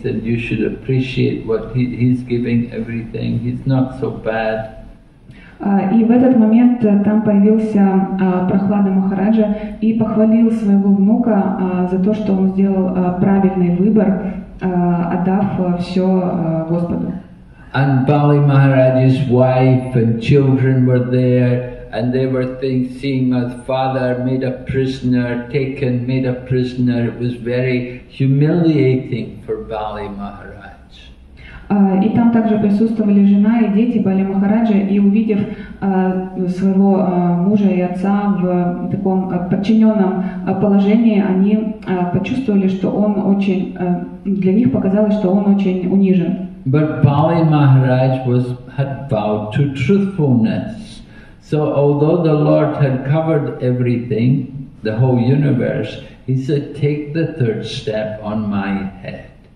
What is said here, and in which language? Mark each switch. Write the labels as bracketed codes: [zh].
[en] He said, "You should appreciate what he's giving everything. He's not so bad." [ru] И в этот момент там появился Прахлада Махараджа и похвалил своего внука за то, что он сделал правильный выбор, отдав все Господу. [en] And Bali Maharaj's wife and children were there, and they were seeing his father made a prisoner. It was very humiliating for Bali Maharaj. [ru] И там также присутствовали жена и дети Бали Махараджа, и увидев своего мужа и отца в таком подчиненном положении, они почувствовали, что он очень, для них показалось, что он очень унижен. [en] But Bali Maharaj had vowed to truthfulness. So although the Lord had covered everything, the whole universe, he said, "Take the 3rd step on my head."